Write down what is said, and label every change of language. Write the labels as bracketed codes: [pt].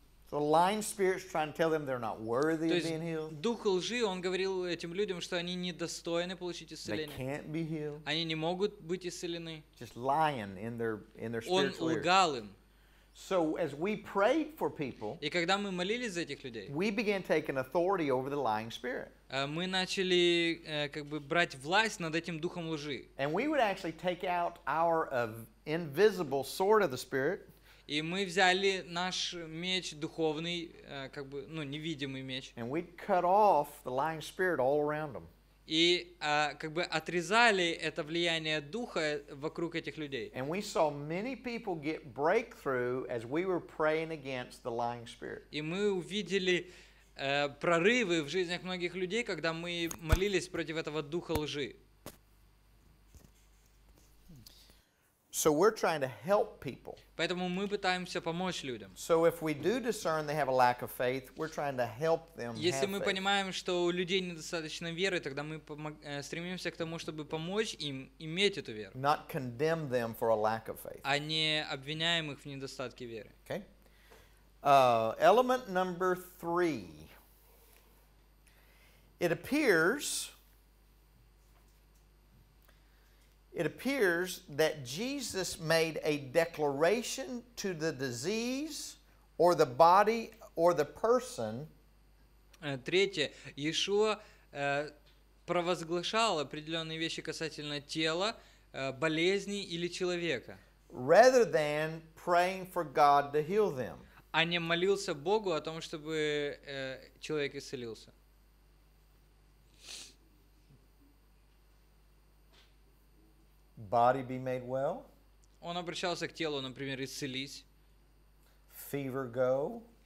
[en] So lying spirits trying to tell them they're not worthy [ru] то [en] of being healed. [ru] Дух лжи, он говорил этим людям, что они недостойны получить исцеление. [en] They can't be healed. [ru] Они не могут быть исцелены. [en] Just lying in their spiritual ears. [ru] Он лгал им. [en] So as we prayed for people, [ru] и когда мы молились за этих людей, [en] we began taking authority over the lying spirit. [ru] Мы начали брать власть над этим духом лжи. [en] And we would actually take out our invisible sword of the spirit. [ru] И мы взяли наш меч духовный, невидимый меч. [en] And we cut off the lying spirit all around them. [ru] И отрезали это влияние духа вокруг этих людей. [en] And we saw many people get breakthrough as we were praying against the lying spirit. [ru] И мы увидели прорывы в жизнях многих людей, когда мы молились против этого духа лжи. [en] So we're trying to help people. [ru] Поэтому мы пытаемся помочь людям. [en] So if we do discern they have a lack of faith, we're trying to help them. [ru] Если мы [en] faith. [ru] Понимаем, что у людей недостаточно веры, тогда мы стремимся к тому, чтобы помочь им иметь эту веру. [en] Not condemn them for a lack of faith. [ru] А не обвиняем их в недостатке веры. [en] Okay. Element number three. It appears that Jesus made a declaration to the disease or the body or the person. [ru] Третье. Иешуа провозглашал определенные вещи касательно тела, болезни или человека. [en] Rather than praying for God to heal them. [ru] А не молился Богу о том, чтобы человек исцелился. [en] Body be made well. [ru] Он обращался к телу, например, исцелись. [en] Fever go.